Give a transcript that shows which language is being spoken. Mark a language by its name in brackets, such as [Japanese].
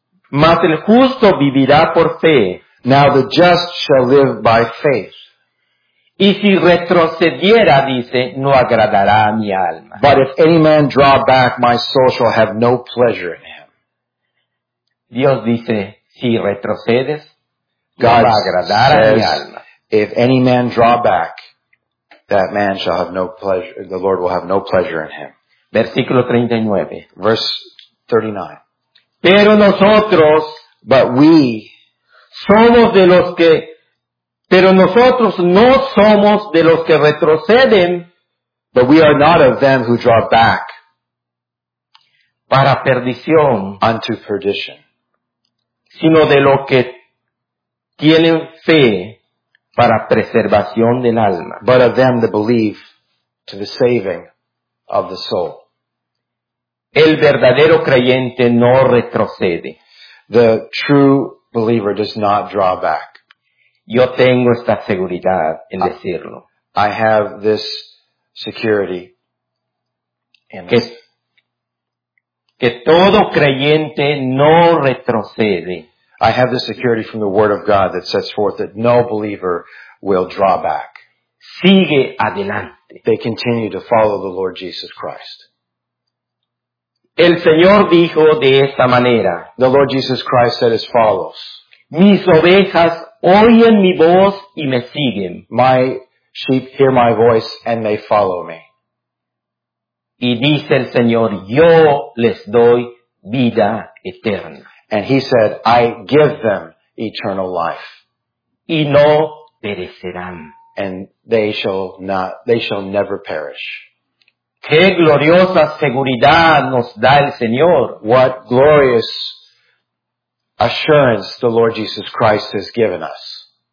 [Spanish] Mas el justo vivirá por fe. [English] Now the just shall live by faith. [Spanish] Y si retrocediera, dice, no agradará a mi alma. [English] But if any man draw back, my soul shall have no pleasure in him. [Spanish] Dios dice, si retrocedes, no va a agradar a mi alma. [English] If any man draw back, that man shall have no pleasure, the Lord will have no pleasure in him. [Spanish] Versículo 39. [English] Verse 39. [Spanish] Pero nosotros, [English] but we, [Spanish] somos de los que, pero nosotros no somos de los que retroceden, [English] but we are not of them who draw back, [Spanish] para perdición, [English] unto perdition, [Spanish] sino de los que tienen fe, para preservación del alma. [English] But of them that believe to the saving of the soul. [Spanish] El verdadero creyente no retrocede. [English] The true believer does not draw back. [Spanish] Yo tengo esta seguridad en decirlo. [English] I have this security. [Spanish] Que todo creyente no retrocede. [English] I have the security from the Word of God that sets forth that no believer will draw back. [Spanish] Sigue adelante. [English] They continue to follow the Lord Jesus Christ. [Spanish] El Señor dijo de esta manera. [English] The Lord Jesus Christ said as follows. [Spanish] Mis ovejas oyen mi voz y me siguen. [English] My sheep hear my voice and they follow me. [Spanish] Y dice el Señor, yo les doy vida eterna. [English] And he said, I give them eternal life. [Spanish] Y no perecerán. [English] And they shall never perish. [Spanish] Qué gloriosa seguridad nos da el Señor. [English] What glorious assurance the Lord Jesus Christ has given us.